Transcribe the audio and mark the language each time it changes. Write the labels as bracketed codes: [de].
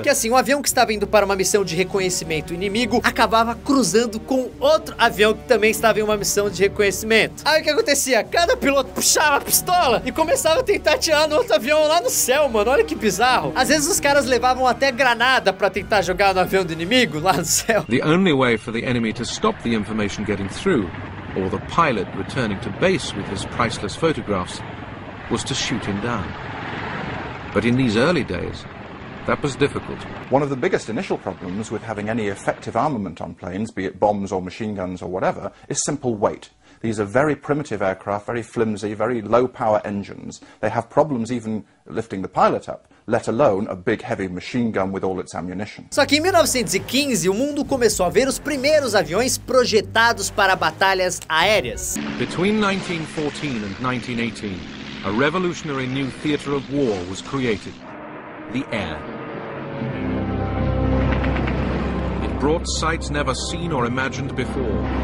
[pt] Que assim, um avião que estava indo para uma missão de reconhecimento inimigo acabava cruzando com outro avião que também estava em uma missão de reconhecimento. Aí o que acontecia? Cada piloto puxava a pistola e começava a tentar atirar no outro avião lá no céu, mano. Olha que bizarro. Às vezes os caras levavam até granada para tentar jogar no avião do inimigo lá no céu. [en] The only way for the enemy to stop the information getting through or the pilot returning to base with his priceless photographs was to shoot him down. But in these early days, that was difficult. One of the biggest initial problems with having any effective armament on planes, be it bombs or machine guns or whatever, is simple weight. These are very primitive aircraft, very flimsy, very low power engines. They have problems even lifting the pilot up, let alone a big heavy machine gun with all its ammunition. [pt] Só que em 1915, o mundo começou a ver os primeiros aviões projetados para batalhas aéreas. [en] Between 1914 and 1918, a revolutionary new theater of war was created: the air. It brought sights never seen or imagined before.